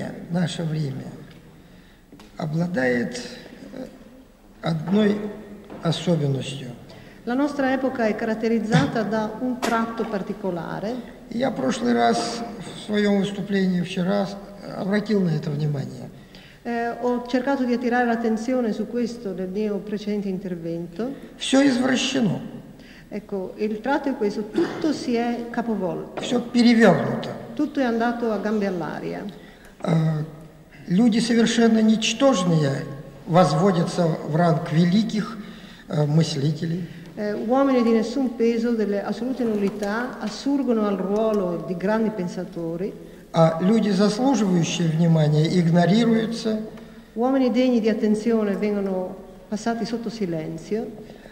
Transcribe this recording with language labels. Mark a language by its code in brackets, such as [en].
[ru] Наше время обладает одной особенностью. [it] La nostra epoca è caratterizzata da un tratto particolare. [ru] Я в прошлый раз в своем выступлении вчера обратил на это внимание. [it] Ho cercato di attirare l'attenzione su questo nel mio precedente intervento. [ru] Все извращено. [it] Ecco, il tratto è questo, tutto si è capovolto. [ru] Все перевернуто. [it] Tutto è andato a gambe all'aria. [ru] Люди совершенно ничтожные возводятся в ранг великих мыслителей. [it] Uomini di nessun peso, delle assolute nullità, assurgono al ruolo di grandi pensatori. [ru] А люди, заслуживающие внимания, игнорируются. [it] Uomini degni di attenzione vengono passati sotto silenzio.